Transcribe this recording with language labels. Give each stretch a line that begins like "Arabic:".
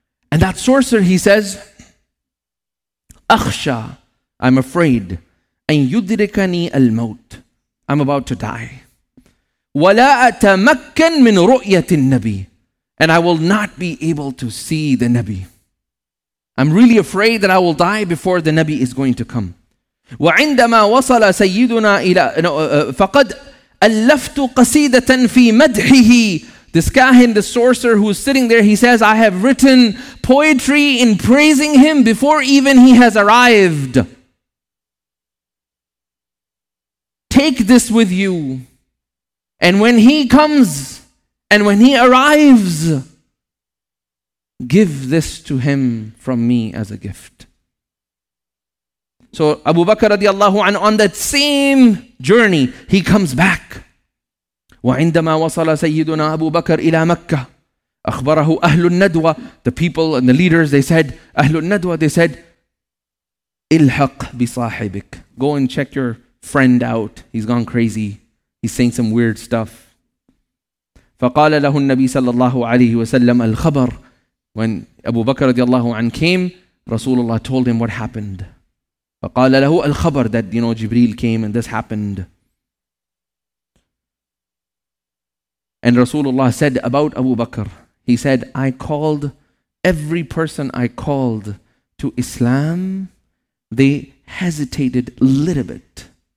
English: And that sorcerer, he says,
Arabic: أخشى,
English: I'm afraid,
Arabic: أن يدركني الموت.
English: I'm about to die.
Arabic: ولا أتمكن من رؤية النبي.
English: And I will not be able to see the Nabi. I'm really afraid that I will die before the Nabi is going to come.
Arabic: وعندما وصل سيدنا إلى فقد ألفت قصيدة في مدحه.
English: This kahin, the sorcerer who is sitting there, he says, I have written poetry in praising him before even he has arrived. Take this with you. And when he comes, and when he arrives, give this to him from me as a gift. So Abu Bakr radiallahu anhu, on that same journey, he comes back.
Arabic: وعندما وصل سيدنا أبو بكر إلى مكة أخبره أهل الندوة.
English: The people and the leaders, they said,
Arabic: أهل الندوة,
English: they said,
Arabic: إلحق بصاحبك.
English: Go and check your friend out. He's gone crazy. He's saying some weird stuff.
Arabic: فقال له النبي صلى الله عليه وسلم الخبر.
English: When Abu Bakr
Arabic: رضي الله عنه
English: came, Rasulullah told him what happened.
Arabic: فقال له الخبر,
English: that, you know, Jibreel came and this happened. And Rasulullah said about Abu Bakr, he said, I called every person I called to Islam, they hesitated a little bit.